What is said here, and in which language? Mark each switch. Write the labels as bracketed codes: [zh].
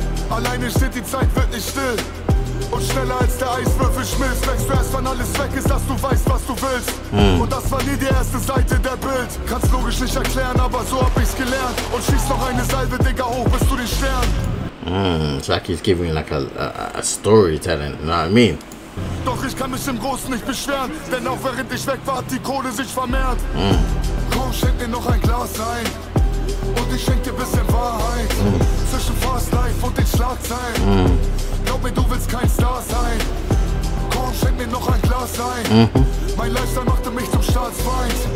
[de] Alleine steht die Zeit, wird nicht still. Und schneller als der Eiswürfel schmilzt, merkst du erst, wenn alles weg ist, dass du weißt, was du willst. Und das war nie die erste Seite der Bild. Kannst logisch nicht erklären, aber so hab ich's gelernt. Und schieß noch eine Salve, Digga, hoch bist du den Stern. [en] Jackie's giving like a storytelling, you know what I mean? [de] Doch ich kann mich im Großen nicht beschweren, denn auch während ich weg war, hat die Kohle sich vermehrt. Komm, schenk mir noch ein Glas ein. Und ich schenk dir bisschen Wahrheit. Zwischen Fast Life und den Schlagzeilen. Glaub mir, du willst kein Star sein. Komm, schenk mir noch ein Glas ein. Mein Lifestyle machte mich zum Staatsfeind.